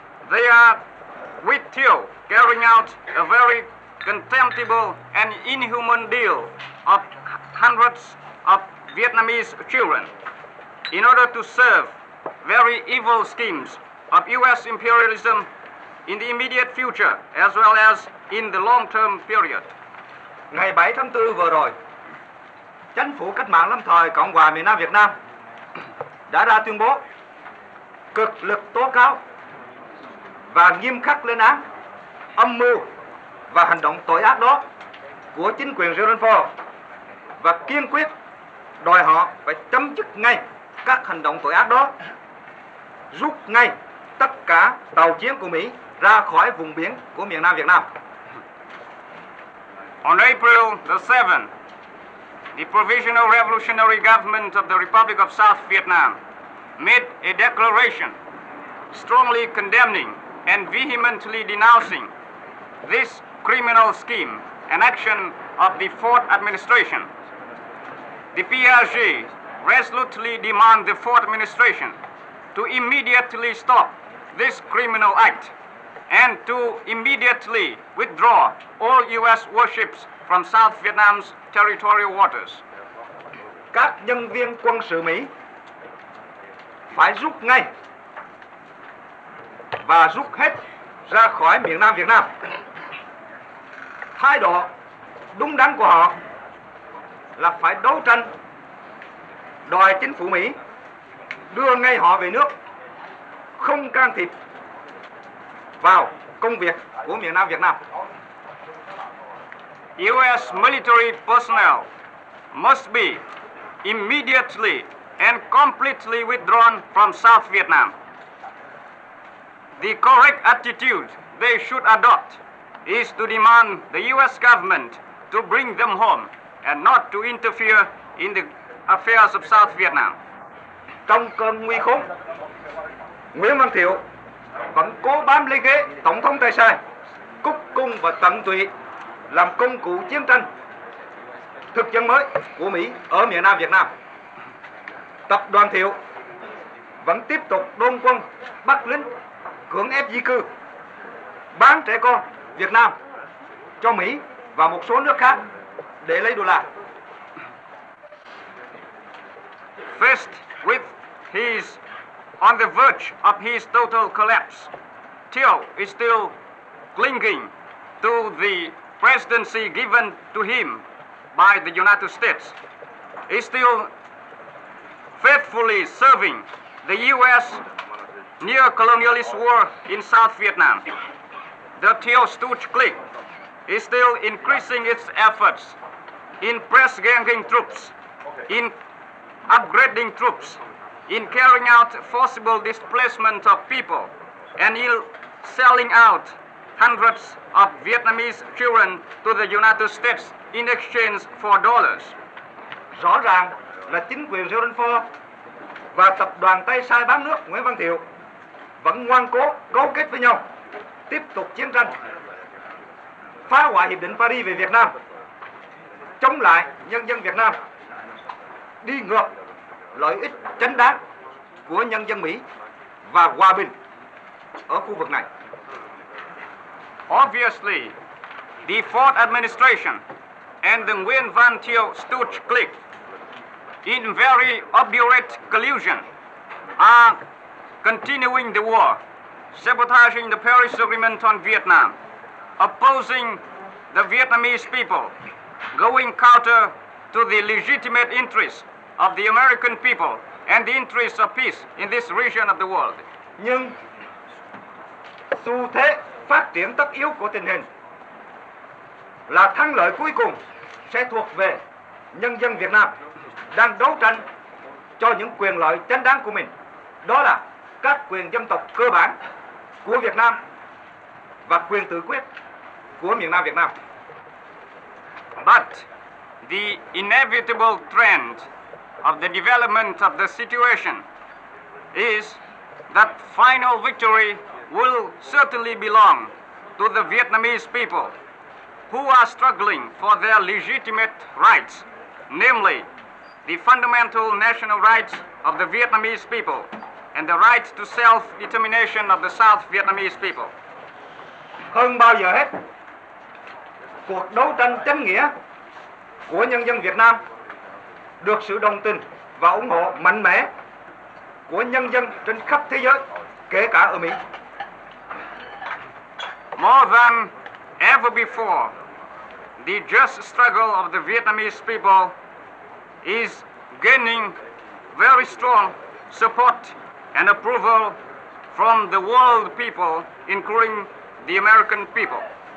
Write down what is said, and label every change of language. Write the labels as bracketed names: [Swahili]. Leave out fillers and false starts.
[English] They are with Thieu carrying out a very contemptible and inhuman deal of hundreds of Vietnamese children in order to serve very evil schemes of U.S. imperialism in the immediate future as well as in the long-term period. [Vietnamese] Ngày 7 tháng 4 vừa rồi, Chánh phủ Cách mạng Lâm thời Cộng hòa miền Nam Việt Nam đã ra tuyên bố cực lực tố cáo và nghiêm khắc lên án âm mưu và hành động tội ác đó của chính quyền Gerald Ford và kiên quyết đòi họ phải chấm dứt ngay các hành động tội ác đó, rút ngay tất cả tàu chiến của Mỹ ra khỏi vùng biển của miền Nam Việt Nam. [English] On April the 7th, the Provisional Revolutionary Government of the Republic of South Vietnam made a declaration strongly condemning and vehemently denouncing this criminal scheme and action of the Ford administration. The PRG resolutely demand the Ford administration to immediately stop this criminal act and to immediately withdraw all U.S. warships from South Vietnam's territorial waters. [Vietnamese] Các nhân viên quân sự Mỹ phải rút ngay và rút hết ra khỏi miền Nam Việt Nam. Thái độ đúng đắn của họ là phải đấu tranh đòi chính phủ Mỹ đưa ngay họ về nước, không can thiệp vào công việc của miền Nam Việt Nam. [English] U.S. military personnel must be immediately and completely withdrawn from South Vietnam. The correct attitude they should adopt is to demand the U.S. government to bring them home and not to interfere in the affairs of South Vietnam. [Vietnamese] Trong cơn nguy khốn, Nguyễn Văn Thiệu vẫn cố bám lấy ghế Tổng thống Tay Sai, cúc cung và tận tụy làm công cụ chiến tranh thực dân mới của Mỹ ở miền Nam Việt Nam. Tập đoàn Thiệu vẫn tiếp tục đôn quân bắt lính cưỡng ép di cư, bán trẻ con Việt Nam cho Mỹ và một số nước khác để lấy đô la. [English] First, with his on the verge of his total collapse, Thieu is still clinging to the presidency given to him by the United States. He's still faithfully serving the U.S. neo-colonialist war in South Vietnam. The Thieu Stooge clique is still increasing its efforts in press ganging troops, in upgrading troops, in carrying out forcible displacement of people, and in selling out hundreds of Vietnamese children to the United States in exchange for dollars. [Vietnamese] Rõ ràng là chính quyền Gerald Ford và tập đoàn Tay Sai bán nước Nguyễn Văn Thiệu vẫn ngoan cố cấu kết với nhau tiếp tục chiến tranh, phá hoại Hiệp định Paris về Việt Nam, chống lại nhân dân Việt Nam, đi ngược lợi ích chính đáng của nhân dân Mỹ và hòa bình ở khu vực này. [English] Obviously, the Ford administration and the Nguyen Van Thieu Stooge clique, in very obdurate collusion, are continuing the war sabotaging the Paris Agreement on Vietnam, opposing the Vietnamese people, going counter to the legitimate interests of the American people and the interests of peace in this region of the world. [Vietnamese] Nhưng xu thế phát triển tất yếu của tình hình là thắng lợi cuối cùng sẽ thuộc về nhân dân Việt Nam đang đấu tranh cho những quyền lợi chính đáng của mình. Đó là các quyền dân tộc cơ bản của Việt Nam và quyền tự quyết của miền Nam Việt Nam. [English] But the inevitable trend of the development of the situation is that final victory will certainly belong to the Vietnamese people who are struggling for their legitimate rights, namely the fundamental national rights of the Vietnamese people and the right to self-determination of the South Vietnamese people. [Vietnamese] Hơn bao giờ hết, cuộc đấu tranh chính nghĩa của nhân dân Việt Nam được sự đồng tình và ủng hộ mạnh mẽ của nhân dân trên khắp thế giới, kể cả ở Mỹ. [English] More than ever before, the just struggle of the Vietnamese people is gaining very strong support and approval from the world people, including the American people.